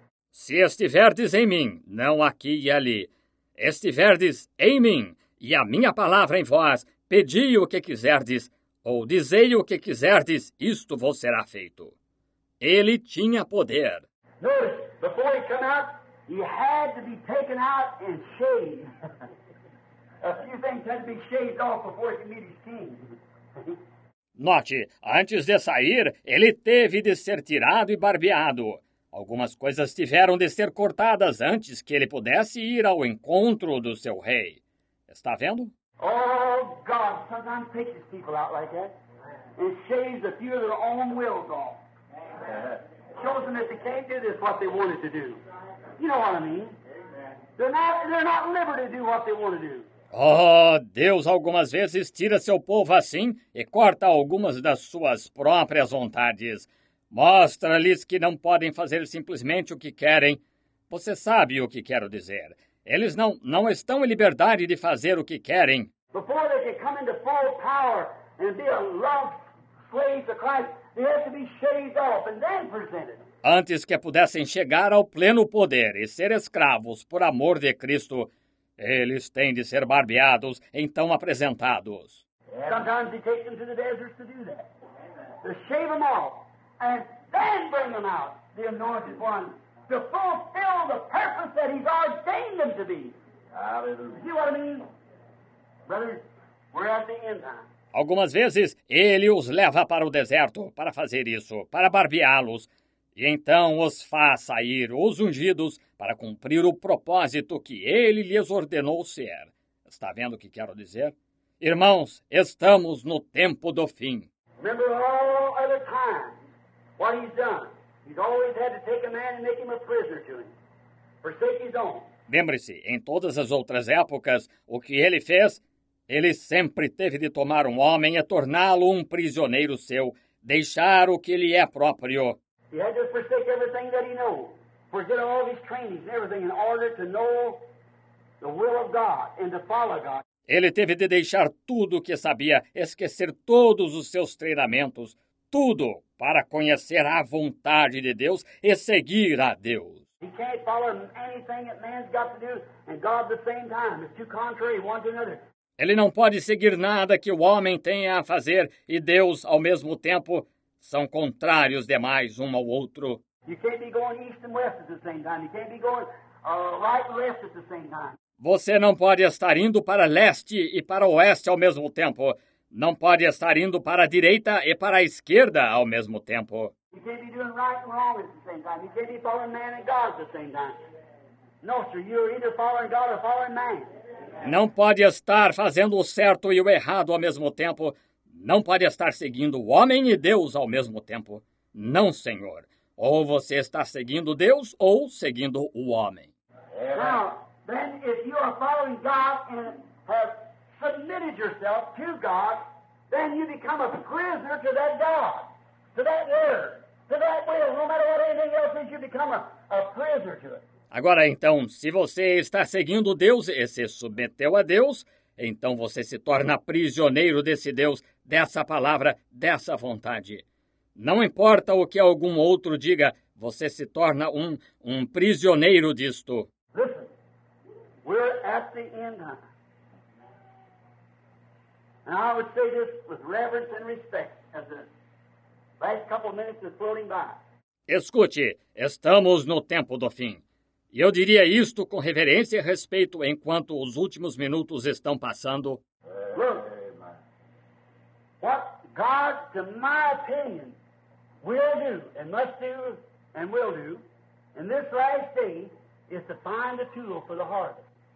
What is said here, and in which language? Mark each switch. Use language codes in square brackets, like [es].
[pt] Se estiverdes em mim, não aqui e ali, estiverdes em mim, e a minha palavra em vós, pedi o que quiserdes, ou dizei o que quiserdes, isto vos será feito. Ele tinha poder. [en] Notice, before he came out, he had to be taken out and shaved. A few things had to be shaved off before he meet his king. [pt] Note, antes de sair, ele teve de ser tirado e barbeado. Algumas coisas tiveram de ser cortadas antes que ele pudesse ir ao encontro do seu rei. Está vendo? [en] Oh, God, sometimes takes these people out like that. And shaves a few of their own wills off. Shows them that they can't do this what they wanted to do. You know what I mean? They're not liberty to do what they want to do. [pt] Oh, Deus algumas vezes tira seu povo assim e corta algumas das suas próprias vontades. Mostra-lhes que não podem fazer simplesmente o que querem. Você sabe o que quero dizer. Eles não estão em liberdade de fazer o que querem. [en] Before they can come into full power and be a loved slave to Christ, they have to be shaved off and then presented. [pt] Antes que pudessem chegar ao pleno poder e ser escravos por amor de Cristo, eles têm de ser barbeados, então apresentados. [en] Sometimes they take them to the desert to do that. To shave them off. And then bring them out, the anointed one, to fulfill the purpose that he's ordained them to be. Hallelujah. See what I mean? Brothers, we're at the end time. [pt] Algumas vezes, ele os leva para o deserto para fazer isso, para barbeá-los, e então os faz sair, os ungidos, para cumprir o propósito que ele lhes ordenou ser. Está vendo o que quero dizer? Irmãos, estamos no tempo do fim. [en] Remember all other times. What he's done, he's always had to take a man and make him a prisoner to him. Forsake his own. [pt] Lembre-se, em todas as outras épocas, o que ele fez, ele sempre teve de tomar um homem e torná-lo um prisioneiro seu, deixar o que lhe é próprio. [en] He had to forsake everything that he knew, forget all of his trainings and everything in order to know the will of God and to follow God. [pt] Ele teve de deixar tudo o que sabia, esquecer todos os seus treinamentos, tudo para conhecer a vontade de Deus e seguir a Deus. [en] He can't follow anything that man's got to do and God at the same time. It's too contrary one to another. [pt] Ele não pode seguir nada que o homem tenha a fazer e Deus ao mesmo tempo. São contrários demais um ao outro. [en] You can't be going east and west at the same time. You can't be going right and left at the same time. [pt] Você não pode estar indo para leste e para oeste ao mesmo tempo. Não pode estar indo para a direita e para a esquerda ao mesmo tempo. [en] You can't be doing right and wrong at the same time. You can't be following man and God at the same time. No, sir, you're either following God or following man. [pt] Não pode estar fazendo o certo e o errado ao mesmo tempo. Não pode estar seguindo o homem e Deus ao mesmo tempo. Não, Senhor. Ou você está seguindo Deus ou seguindo o homem. [en] Now, then, if you are following God and have submitted yourself to God, then you become a prisoner to that God, to that word, to that will. No matter what anything else is, you become a prisoner to it. [pt] Agora, então, se você está seguindo Deus e se submeteu a Deus, então você se torna prisioneiro desse Deus, dessa palavra, dessa vontade. Não importa o que algum outro diga, você se torna um prisioneiro disto. [en] Listen, we're at the end time. And I would say this with reverence and respect as the last couple of minutes is floating by. [pt] Escute, estamos no tempo do fim. E eu diria isto com reverência e respeito enquanto os últimos minutos estão passando. [en] Look, what God, to my opinion, will do, and must do, and will do, in this last day, is to find a tool for the harvest.